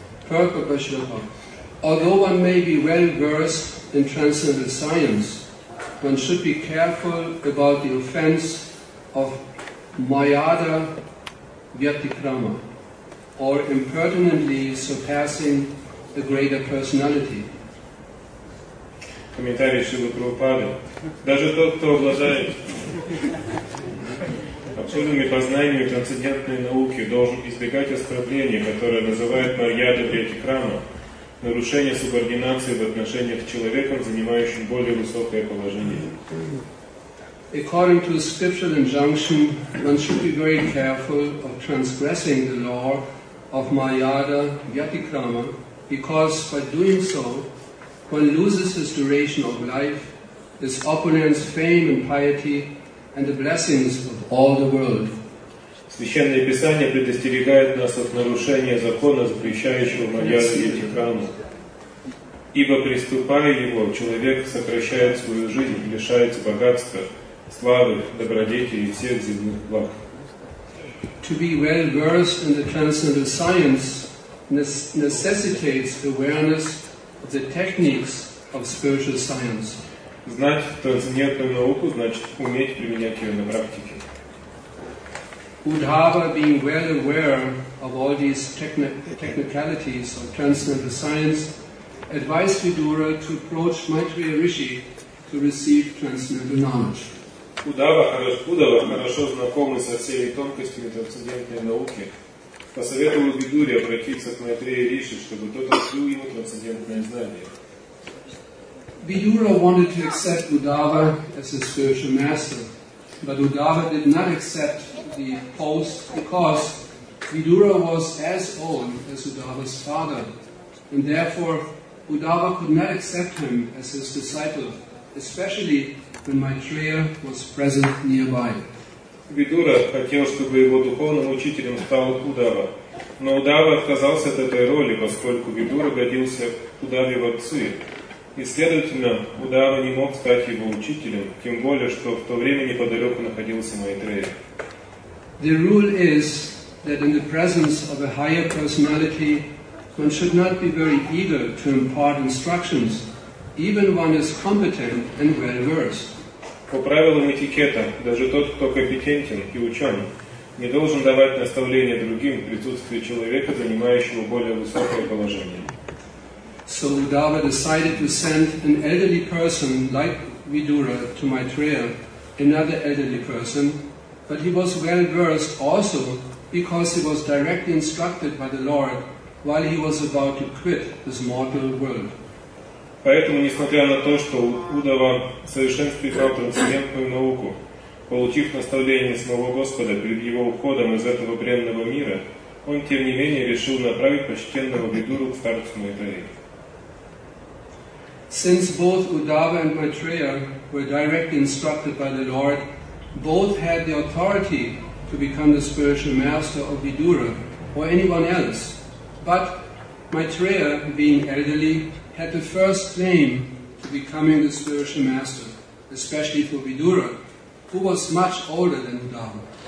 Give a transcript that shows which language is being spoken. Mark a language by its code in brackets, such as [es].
[en] Although one may be well versed in transcendental science, one should be careful about the offense of mayada vyatikrama, or impertinently surpassing the greater personality. [ru] Комментарий Шрилы Прабхупады. Даже тот, кто обладает абсолютными познаниями трансцендентной науки, должен избегать оскорбления, которое называют марьяда вьятикрама, нарушение субординации в отношениях с человеком, занимающим более высокое положение. [en] According to a scriptural injunction, one should be very careful of transgressing the law of marjada vyatikrama, because by doing so, one loses his duration of life, his opponent's fame and piety, and the blessings of all the world. [ru] Священное Писание предостерегает нас от нарушения закона, запрещающего марьяду вьатикрама. Ибо приступая его, человек сокращает свою жизнь и лишается богатства, славы, добродетели и всех земных благ. [en] To be well versed in the transcendental science necessitates awareness of the techniques of spiritual science. [ru] Знать трансцендентную науку значит уметь применять ее на практике. [en] Uddhava, being well aware of all these technicalities of transcendental science, advised Vidura to approach Maitreya Rishi to receive transcendental knowledge. [ru] Uddhava, хорошо знакомый со всеми тонкостями трансцендентной науки, посоветовал Видуре обратиться к Майтрее Риши, чтобы тот открыл ему трансцендентное знание. [en] Vidura wanted to accept Uddhava as his spiritual master, but Uddhava did not accept the post because Vidura was as old as Uddhava's father, and therefore Uddhava could not accept him as his disciple, especially when Maitreya was present nearby. [ru] Vidura хотел, чтобы его духовным учителем стал Uddhava, но Uddhava отказался от этой роли, поскольку Vidura годился Uddhave в отцы. И, следовательно, Удава не мог стать его учителем, тем более, что в то время неподалеку находился Майтрея. [en] The rule is that in the presence of a higher personality, one should not be very eager to impart instructions, even one is competent and well-versed. [ru] По правилам этикета, даже тот, кто компетентен и учен, не должен давать наставления другим в присутствии человека, занимающего более высокое положение. [en] So Uddhava decided to send an elderly person like Vidura to Maitreya, another elderly person, but he was well versed also because he was directly instructed by the Lord while he was about to quit this mortal world. [ru] Поэтому, несмотря на то, что Uddhava совершенствовал трансцендентную науку, получив наставление самого Господа перед его уходом из этого бренного мира, он тем не менее решил направить почтенного Vidura к старцу Майтреи. [en] Since both Uddhava and Maitreya were directly instructed by the Lord, both had the authority to become the spiritual master of Vidura or anyone else. But Maitreya, being elderly, had the first claim to becoming the spiritual master, especially for Vidura, who was much older than Uddhava.